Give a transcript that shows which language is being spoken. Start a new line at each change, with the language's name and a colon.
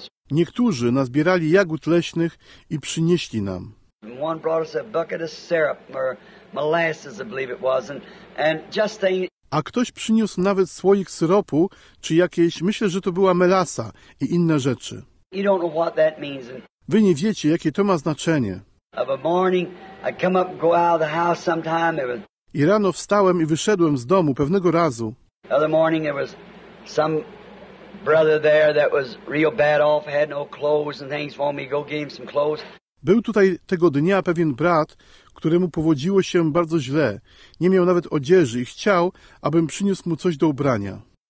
Polish: Niektórzy nazbierali jagód leśnych i przynieśli nam.
English: One brought us a bucket of syrup or molasses, I believe it was, and just the.
Polish: A ktoś przyniósł nawet słoik syropu, czy jakieś, myślę, że to była melasa i inne rzeczy.
English: You don't know what that means.
Polish: Wy nie wiecie, jakie to ma znaczenie.
English: Of a morning, I come up and go out of the house sometime. It was.
Polish: I rano wstałem i wyszedłem z domu pewnego razu.
English: The other morning, there was some brother there that was real bad off, had no clothes and things for me. Go get him some clothes.
Polish: Był tutaj tego dnia pewien brat, któremu powodziło się bardzo źle. Nie miał nawet odzieży i chciał, abym przyniósł mu coś do ubrania.